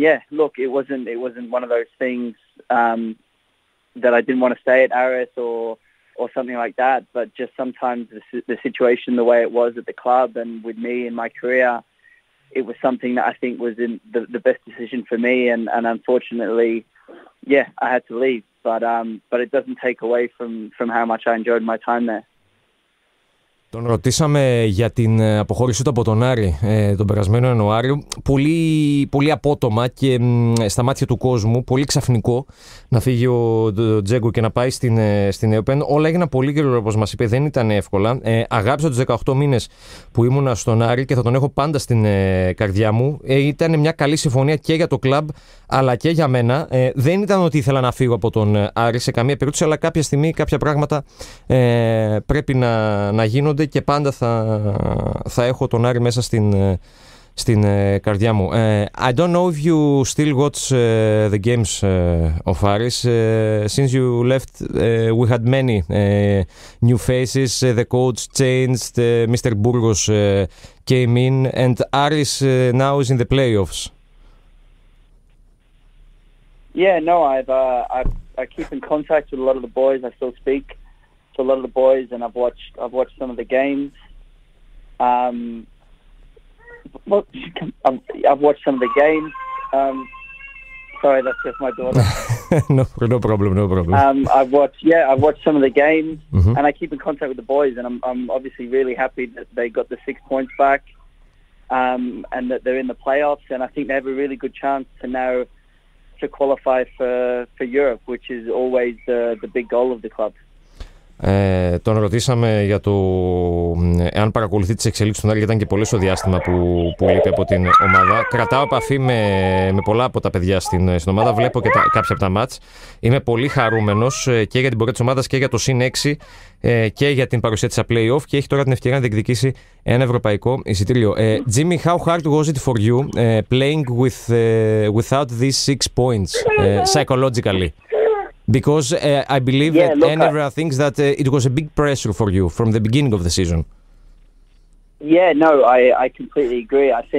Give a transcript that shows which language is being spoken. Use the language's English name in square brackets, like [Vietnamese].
[English] It wasn't one of those things that I didn't want to stay at Aris or something like that, but just sometimes the situation, the way it was at the club and with me in my career, it was something that I think was in the best decision for me, and unfortunately, yeah, I had to leave. But it doesn't take away from how much I enjoyed my time there. [Greek] Τον ρωτήσαμε για την αποχώρησή του από τον Άρη τον περασμένο Ιανουάριο. Πολύ, πολύ απότομα και στα μάτια του κόσμου, πολύ ξαφνικό να φύγει ο Τζέγκο και να πάει στην ΕΟΠΕΝ. Όλα έγιναν πολύ γρήγορα, όπως μας είπε, δεν ήταν εύκολα. Αγάπησα τους 18 μήνες που ήμουνα στον Άρη και θα τον έχω πάντα στην καρδιά μου. Ήταν μια καλή συμφωνία και για το κλαμπ, αλλά και για μένα. Δεν ήταν ότι ήθελα να φύγω από τον Άρη σε καμία περίπτωση, αλλά κάποια στιγμή κάποια πράγματα πρέπει να γίνουν. Και πάντα θα έχω τον Άρη μέσα στην καρδιά μου. [English] I don't know if you still watch the games of Aris. Since you left, we had many new faces. The coach changed, Mr. Burgos came in, and Aris now is in the playoffs. Yeah, no, I keep in contact with a lot of the boys. I still speak a lot of the boys, and I've watched some of the games. I've watched some of the games. Sorry, that's just my daughter. No problem. I've watched some of the games, mm-hmm. and I keep in contact with the boys, and I'm obviously really happy that they got the 6 points back, and that they're in the playoffs, and I think they have a really good chance to now to qualify for Europe, which is always the big goal of the club. [Greek] Τον ρωτήσαμε για το εάν παρακολουθεί τις εξελίξεις του Άρη, ήταν και πολύ στο διάστημα που λείπει από την ομάδα. Κρατάω επαφή με πολλά από τα παιδιά στην ομάδα, βλέπω και κάποια από τα μάτς. Είμαι πολύ χαρούμενος και για την πορεία της ομάδας και για το συν 6 και για την παρουσία της play-off, και έχει τώρα την ευκαιρία να διεκδικήσει ένα ευρωπαϊκό εισιτήριο. [English] Jimmy, how hard was it for you playing without these 6 points psychologically? Because I believe thinks that it was a big pressure for you from the beginning of the season. Yeah, no, I completely agree.